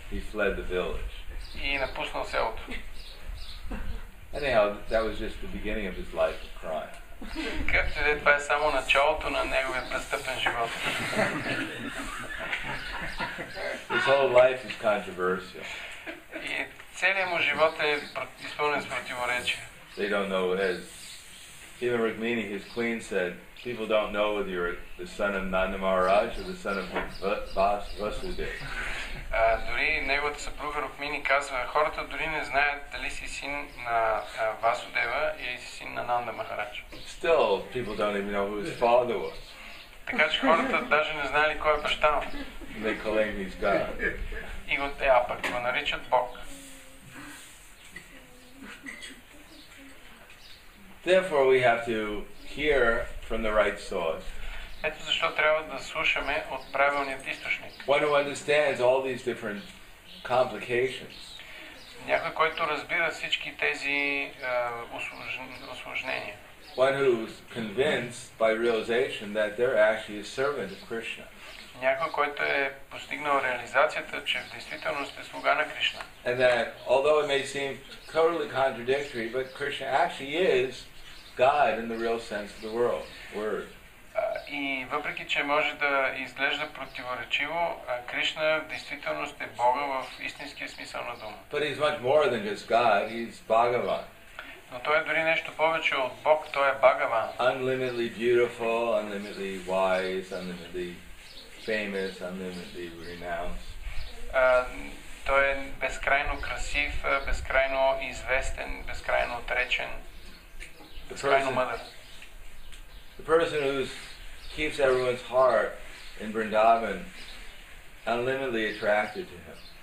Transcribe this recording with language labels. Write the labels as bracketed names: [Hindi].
[English] He fled the village. [Bulgarian] И напуснал селото. [English] Anyhow, that was just the beginning of his life of crime. [Bulgarian] Както и да е, това е само началото на неговия престъпен живот. [English] His whole life is controversial. [Bulgarian] И целият му живот е изпълнен с противоречия. [English] They don't know what is. Even Rukmini, his queen, said, people don't know whether you're the son of Nanda Maharaj or the son of Vasudev. [Bulgarian] Дори неговата съпруга Рукмини казва, хората дори не знаят дали си син на Васудева или си син на Нанда Махарадж. [English] Still, people don't even know who his father was. [Bulgarian] Така че хората даже не знали кой е баща му. [English] They call him his God. [Bulgarian] И го те, а пък го наричат Бог. [English] Therefore, we have to hear from the right source. [Bulgarian] Ето защо трябва да слушаме от правилния източник. [English] One who understands all these different complications. [Bulgarian] Някой, който разбира всички тези осложнения. [English] One who is convinced by realization that they're actually a servant of Krishna. [Bulgarian] Някой, който е постигнал реализацията, че в действителност е слуга на Кришна. [English] And that, although it may seem totally contradictory, but Krishna actually is God in the real sense of the word. [Bulgarian] И въпреки че може да изглежда противоречиво, Кришна в действителност е Бога в истинския смисъл на дума. [English] But he's much more than just God, he's Bhagavan. [Bulgarian] Но той е дори нещо повече от Бог, той е Бхагаван. [English] Unlimitedly beautiful, unlimitedly wise, unlimitedly famous, unlimitedly renowned. [Bulgarian] Той е безкрайно красив, безкрайно известен, безкрайно отречен, безкрайно мъдър. [English] The person who keeps everyone's heart in Vrindavan unlimitedly attracted to him.